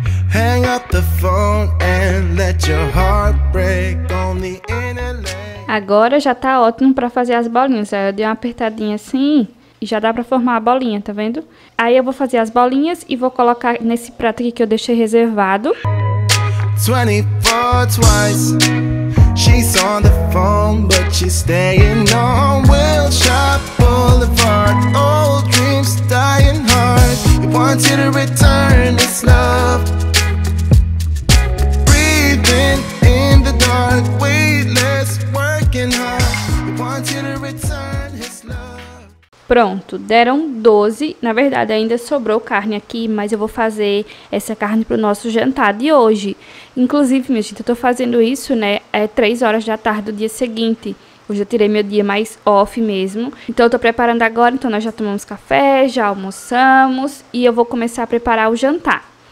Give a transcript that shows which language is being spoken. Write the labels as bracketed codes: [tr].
[en] Hang up the phone and let your heart break on the internet. [pt] Agora já tá ótimo pra fazer as bolinhas. Aí eu dei uma apertadinha assim e já dá pra formar a bolinha, tá vendo? Aí eu vou fazer as bolinhas e vou colocar nesse prato aqui que eu deixei reservado. [en] 24 twice. She's on the phone, but she's staying on Wilshire Boulevard. Old dreams dying hard. He wants you to return his love. Breathing in the dark, weightless, working hard. He wants you to return his love. [pt] Pronto, deram 12. Na verdade, ainda sobrou carne aqui, mas eu vou fazer essa carne para o nosso jantar de hoje. Inclusive, minha gente, eu estou fazendo isso, né? É 3 horas da tarde do dia seguinte. Hoje eu tirei meu dia mais off mesmo. Então, eu estou preparando agora. Então, nós já tomamos café, já almoçamos e eu vou começar a preparar o jantar.